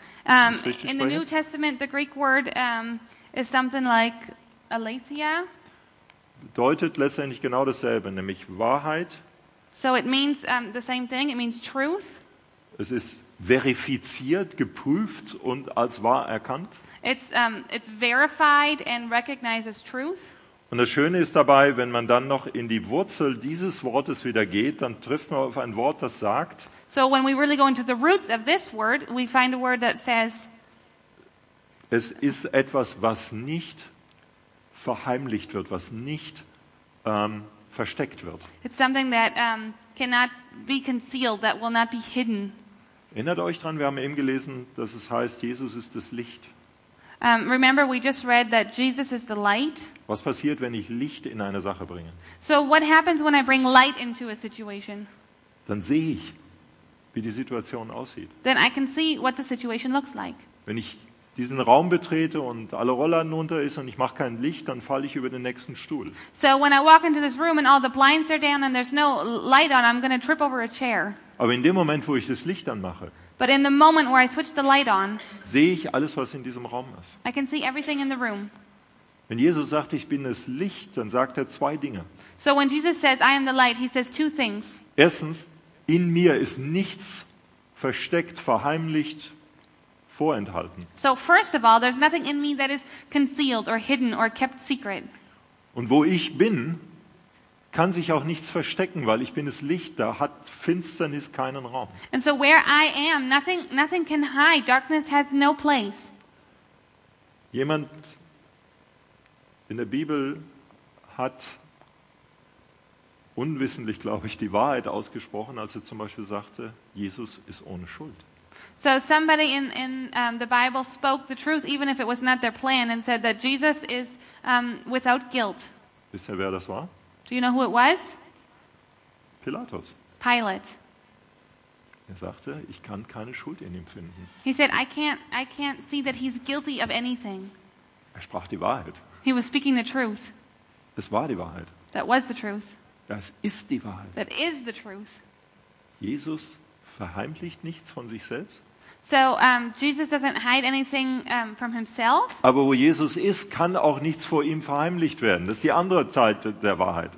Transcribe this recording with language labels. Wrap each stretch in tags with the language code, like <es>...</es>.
<en>In the New Testament, the Greek word is something like aletheia.</en> <de>Deutet letztendlich genau dasselbe, nämlich Wahrheit.</de> <en>So it means the same thing, it means truth.</en> <de>Es ist verifiziert, geprüft und als wahr erkannt.</de> <en>It's verified and recognizes truth.</en> <de>Und das Schöne ist dabei, wenn man dann noch in die Wurzel dieses Wortes wieder geht, dann trifft man auf ein Wort, das sagt.</de> <en>So when we really go into the roots of this word, we find a word that says,</en> <de>es ist etwas, was nicht verheimlicht wird, was nicht versteckt wird.</de> <en>It's something that cannot be concealed, that will not be hidden.</en> <de>Erinnert euch dran, wir haben eben gelesen, dass es heißt, Jesus ist das Licht.</de> <en>Remember, we just read that Jesus is the light.</en> <de>Was passiert, wenn ich Licht in eine Sache bringe?</de> <en>So what happens when I bring light into a situation?</en> <de>Dann sehe ich, wie die Situation aussieht.</de> <en>Then I can see what the situation looks like.</en> <de>Wenn ich diesen Raum betrete und alle Rollladen runter ist und ich mache kein Licht, dann falle ich über den nächsten Stuhl.</de> <en>So when I walk into this room and all the blinds are down and there's no light on, I'm going to trip over a chair.</en> <de>Aber in dem Moment, wo ich das Licht anmache,</de> <en>but in the moment where I switch the light on,</en> <de>sehe ich alles, was in diesem Raum ist.</de> <en>I can see everything in the room.</en> <de>Wenn Jesus sagt, ich bin das Licht, dann sagt er zwei Dinge.</de> <en>So when Jesus says, I am the light, he says two things.</en> <de>Erstens, in mir ist nichts versteckt, verheimlicht, vorenthalten.</de> <en>So first of all, there's nothing in me that is concealed or hidden or kept secret.</en> <de>Und wo ich bin, kann sich auch nichts verstecken, weil ich bin das Licht, da hat Finsternis keinen Raum.</de> <en>And so where I am, nothing can hide, darkness has no place.</en> <de>Jemand in der Bibel hat unwissentlich, glaube ich, die Wahrheit ausgesprochen, als er zum Beispiel sagte, Jesus ist ohne Schuld.</de> <en>So somebody in the Bible spoke the truth, even if it was not their plan, and said that Jesus is without guilt.</en> <de>Wisst ihr, wer das war?</de> <en>Do you know who it was?</en> <de>Pilatus.</de> <en>Pilate.</en> <de>Er sagte, ich kann keine Schuld in ihm finden.</de> <en>He said, I can't see that he's guilty of anything.</en> <de>Er sprach die Wahrheit.</de> <en>He was speaking the truth.</en> <de>Es war die Wahrheit.</de> <en>That was the truth.</en> <de>Das ist die Wahrheit.</de> <en>That is the truth.</en> <de>Jesus verheimlicht nichts von sich selbst.</de> <en>So Jesus doesn't hide anything from himself.</en> <de>Aber wo Jesus ist, kann auch nichts vor ihm verheimlicht werden. Das ist die andere Seite der Wahrheit.</de>